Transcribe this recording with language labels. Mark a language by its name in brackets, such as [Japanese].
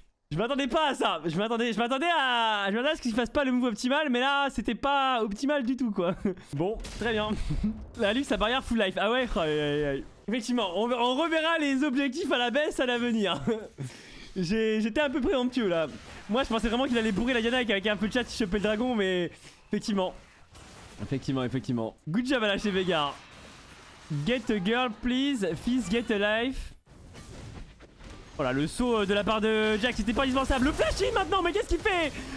[French] Je m'attendais pas à ça, je m'attendais à ce qu'il fasse pas le move optimal, mais là c'était pas optimal du tout quoi. Bon, très bien. La Lux sa barrière full life, ah ouais, aïe. Effectivement, on reverra les objectifs à la baisse à l'avenir. J'étais un peu préemptueux là. Moi je pensais vraiment qu'il allait bourrer la Diana avec un peu de chat si je chopais le dragon, mais effectivement. Effectivement. [English] Good job [French] à lâcher Vegar. [English] Get a girl please, Fizz get a life. [French] Oh là, le saut de la part de Jax, c'était pas indispensable. Le flash in maintenant, mais qu'est-ce qu'il fait?